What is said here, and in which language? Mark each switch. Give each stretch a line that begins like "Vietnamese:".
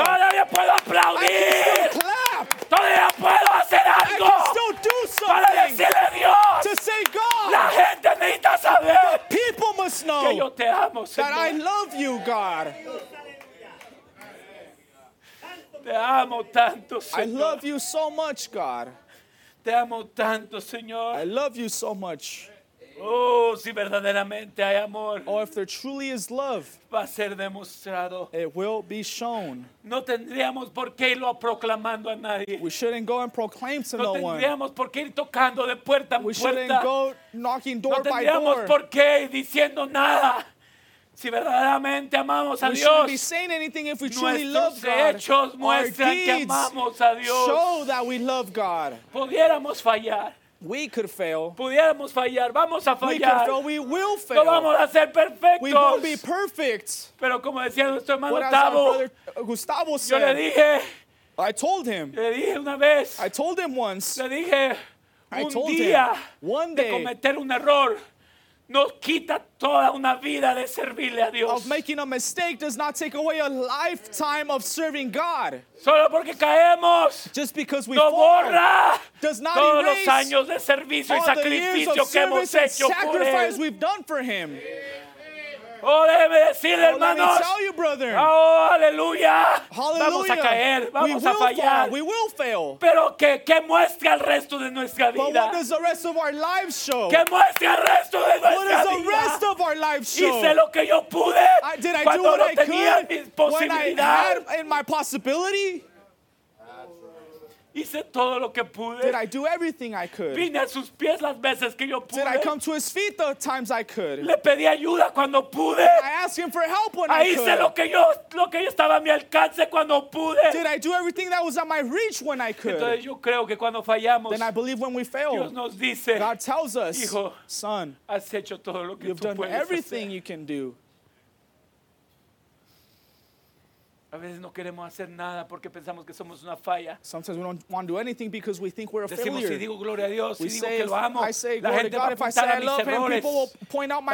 Spanish: Todavía puedo aplaudir.
English: I can still clap.
Spanish: Todavía puedo hacer algo.
English: I can still do something.
Spanish: Para decirle a Dios.
English: To say God.
Spanish: La gente necesita saber.
English: The people must know.
Spanish: Que yo te amo, Señor.
English: That I love you, God.
Spanish: Te amo tanto, Señor.
English: I love you so much, God.
Spanish: Te amo tanto, Señor.
English: I love you so much.
Spanish: Oh, si verdaderamente hay amor.
English: Or if there truly is love,
Spanish: va a ser demostrado.
English: It will be shown.
Spanish: No tendríamos por qué irlo proclamando a nadie.
English: We shouldn't go and proclaim to no one.
Spanish: No tendríamos por qué ir tocando de puerta en
English: we
Spanish: puerta.
English: Shouldn't go knocking door
Spanish: no
English: by door.
Spanish: No tendríamos por qué diciendo nada. Si verdaderamente amamos a Dios,
English: we shouldn't be saying anything if we truly love God.
Spanish: Hechos muestran que amamos a Dios.
English: Show that we love God.
Spanish: Pudiéramos fallar.
English: We could fail.
Spanish: Pudiéramos fallar. Vamos a fallar.
English: We could fail. We will fail.
Spanish: No vamos a ser perfectos.
English: We won't be perfect.
Spanish: Pero como decía nuestro hermano Gustavo,
English: Gustavo said,
Spanish: yo le dije,
English: I told him.
Spanish: Le dije una vez,
English: I told him once.
Spanish: Le dije,
English: I
Spanish: un
English: told
Spanish: día
English: him. One day.
Spanish: De cometer un error. Nos quita toda una vida de servirle a Dios.
English: Of making a mistake does not take away a lifetime of serving God.
Spanish: Solo porque caemos,
English: just because we
Spanish: no
English: fall,
Spanish: borra
English: does not
Spanish: todos
English: erase
Spanish: los años de servicio y sacrificio que hemos hecho por él.
English: Sacrifice we've done for him.
Spanish: Oh, déjeme decirle, hermanos.
English: Let me tell you, brother.
Spanish: Oh, aleluya.
English: Hallelujah.
Spanish: Vamos a caer, vamos
English: we
Spanish: a fallar.
English: Fall. We will fail.
Spanish: Pero qué muestra el resto de nuestra vida?
English: But what does the rest of our lives show?
Spanish: ¿Qué muestra el resto de nuestra
English: what does
Spanish: vida?
English: The rest of our lives show?
Spanish: Hice lo que yo pude.
English: Did I
Spanish: cuando
English: do what
Spanish: no
English: I
Spanish: tenía
English: could
Spanish: mis posibilidades.
English: When I had in my possibility?
Spanish: Hice todo lo que pude.
English: Did I do everything I could?
Spanish: Vine a sus pies las veces que yo pude.
English: Did I come to his feet the times I could?
Spanish: Le pedí ayuda cuando pude.
English: I asked him for help when
Spanish: ahí
English: I could.
Spanish: Hice lo que yo estaba a mi alcance cuando pude.
English: Did I do everything that was at my reach when I could?
Spanish: Entonces yo creo que cuando fallamos,
English: then I believe when we fail,
Spanish: Dios nos dice,
English: God tells us,
Spanish: hijo,
English: son,
Spanish: has hecho todo lo que
English: you've done everything
Spanish: hacer.
English: You can do.
Spanish: A veces no queremos hacer nada porque pensamos que somos una falla.
English: Sometimes we don't want to do anything because we think we're a
Spanish: decimos,
English: failure.
Spanish: Si digo gloria a Dios,
English: we
Spanish: si
English: say,
Spanish: digo que lo amo.
English: I say,
Spanish: la gente
English: God,
Spanish: va a apuntar a mis errores.
English: People will point out my